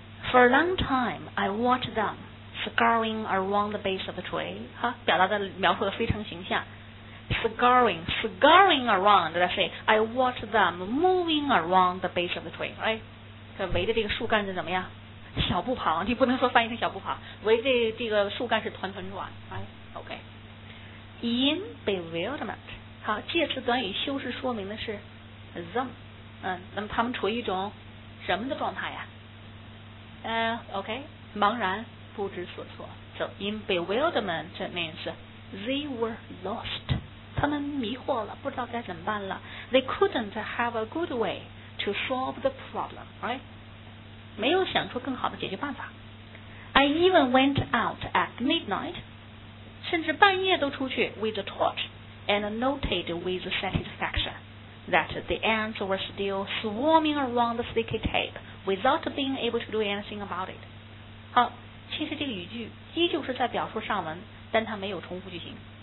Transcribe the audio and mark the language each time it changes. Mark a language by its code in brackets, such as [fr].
[en] For a long time, I watched them scurrying around the base of the tree. [zh] 哈，表达的描述的非常形象。 [en] Scurrying around, let's say, I watched them moving around the base of the tree. Right? [zh] 这围着这个树干是怎么样？小步跑，你不能说翻译成小步跑，围着这个树干是团团转。 [en] Right? Okay. In bewilderment. [zh] 好，介词短语修饰说明的是 them. 嗯，那么他们处于一种什么的状态呀？ [en] Okay, [zh] 茫然不知所措。 [en] So in bewilderment means they were lost. [zh] 他们迷惑了，不知道该怎么办了。 [en] They couldn't have a good way to solve the problem, right? [zh] 没有想出更好的解决办法。 [en] I even went out at midnight, [zh] 甚至半夜都出去 [en] with a torch, and noted with satisfaction that the ants were still swarming around the sticky tape. Without being able to do anything about it. [zh] 好，其实这个语句依旧是在表述上文，但它没有重复句型。